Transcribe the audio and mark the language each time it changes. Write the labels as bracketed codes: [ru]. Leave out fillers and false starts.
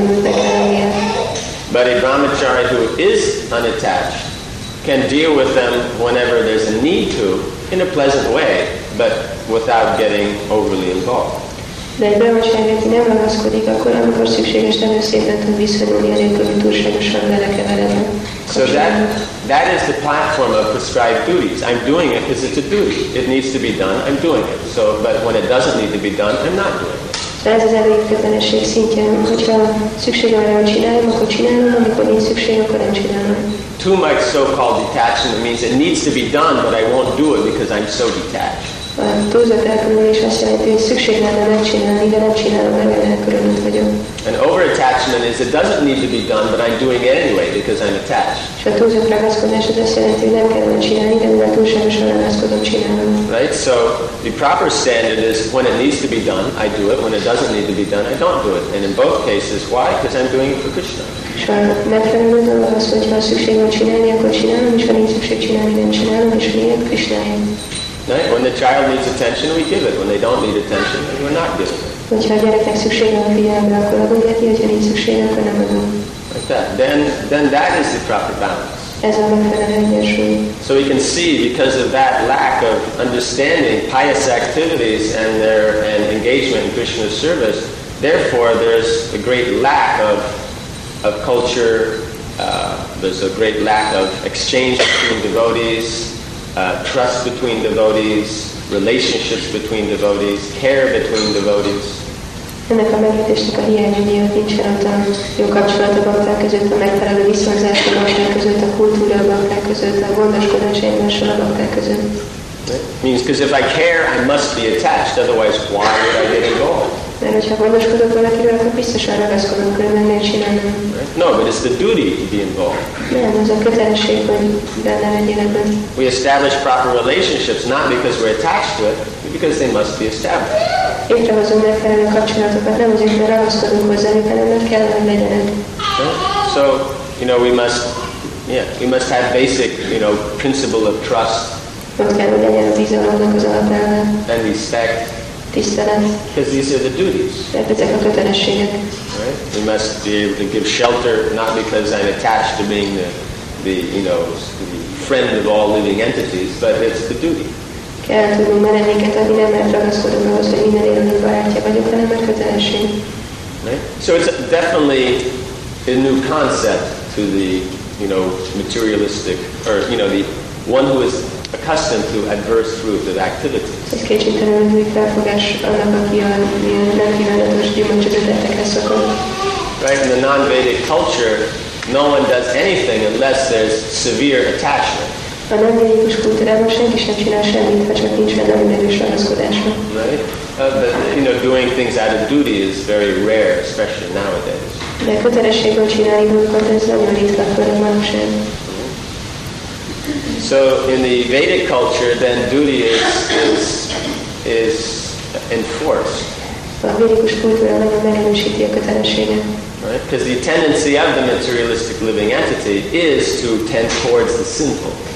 [en] But a brahmachari who is unattached can deal with them whenever there's a need to, in a pleasant way, but without getting overly involved. [hu] De egy brahmacsári, aki nem ragaszkodik, akkor amikor szükséges, nagyon szépen tud visszadulni a nélkül, hogy túlságosan vele keveredne. [en] So that is the platform of prescribed duties. I'm doing it because it's a duty. It needs to be done, I'm doing it. So, but when it doesn't need to be done, I'm not doing it. [hu] De ez az elégedetlenség szintje. Hogyha szükség van rá, hogy csináljam, akkor csinálom, amikor nincs szükség, akkor nem csinálom. [en] Too much so-called detachment means it needs to be done, but I won't do it because I'm so detached. [hu] Túlzott elkülönülés azt jelenti, hogy szükség lenne megcsinálni, de nem csinálom, mert elkülönült vagyok. [en] An overattachment is it doesn't need to be done, but I'm doing it anyway because I'm attached. [hu] És a túlzott ragaszkodás az azt jelenti, hogy nem kell csinálni, de mivel túlságosan ragaszkodom, csinálom. [en] Right? So the proper standard is when it needs to be done, I do it. When it doesn't need to be done, I don't do it. And in both cases, why? Because I'm doing it for Krishna. [hu] És a megfelelő dolog az, hogyha szükség van csinálni, akkor csinálom, és ha nincs szükség csinálni, nem csinálom, és miért? Krisnáért. [en] Right? When the child needs attention, we give it. When they don't need attention, then we're not giving it. [hu] Hogyha a gyereknek szüksége van figyelemre, akkor adom neki, hogyha nincs szüksége, akkor nem adom. [en] Like that. Then that is the proper balance. [hu] Ez a megfelelő egyensúly. [en] So we can see, because of that lack of understanding, pious activities and their and engagement in Krishna's service, therefore there's a great lack of culture, there's a great lack of exchange between devotees, trust between devotees, relationships between devotees, care between devotees. [hu] Ennek a megértésnek a hiánya miatt nincsen ott a jó kapcsolat a bakták között, a megfelelő viszonzás a bakták között, a kultúra a bakták között, a gondoskodás egymással a bakták között. [en] Means because if I care, I must be attached. Otherwise, why would I get involved? [hu] Mert hogyha gondoskodok valakiről, akkor biztosan ragaszkodom, különben miért csinálnám. [en] No, but it's the duty to be involved. [hu] Nem, az a kötelesség, hogy benne legyenek. [en] We establish proper relationships, not because we're attached to it, but because they must be established. [hu] Létrehozunk megfelelő kapcsolatokat, nem azért, mert ragaszkodunk hozzá, hanem mert kell, hogy legyenek. [en] So, you know, we must have basic, you know, principle of trust. [hu] Ott kell, hogy legyen a bizalomnak az alapelve. [en] And respect. [hu] Tisztelet. [en] Because these are the duties. [hu] Mert ezek a kötelességek. [en] Right? We must be able to give shelter, not because I'm attached to being the you know, the friend of all living entities, but it's the duty. [hu] Kell tudnunk menedéket adni, nem mert ragaszkodom ahhoz, hogy minden élő barátja vagyok, hanem mert kötelesség. [en] Right? So it's definitely a new concept to the, you know, materialistic, or, you know, the one who is accustomed to adverse fruits of activities. [hu] Ez kicsit olyan, hogy felfogás annak, aki a nem kívánatos gyümölcsöket ettekhez szokott. [en] Right, in the non-Vedic culture, no one does anything unless there's severe attachment. [hu] A non-Vedikus kultúrában senki sem csinál semmit, ha csak nincs egy nagyon erős ragaszkodása. [en] Right, but you know, doing things out of duty is very rare, especially nowadays. [hu] De kötelességből csinálni dolgokat, ez nagyon ritka, főleg manapság. [en] So in the Vedic culture, then duty is enforced. [hu] A védikus kultúra nagyon megerősíti a kötelességet. [en] Right? Because the tendency of the materialistic living entity is to tend towards the sinful.